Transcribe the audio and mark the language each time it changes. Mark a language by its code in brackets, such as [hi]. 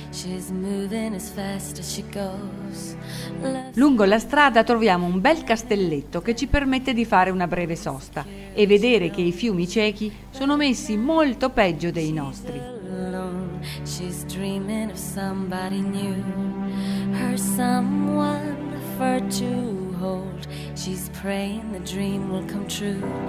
[en] She's moving as fast as she goes. [it] Lungo la strada troviamo un bel castelletto che ci permette di fare una breve sosta e vedere che i fiumi ciechi sono messi molto peggio dei nostri. [en] She's dreaming of somebody new, her someone for to hold. She's praying the dream will come true.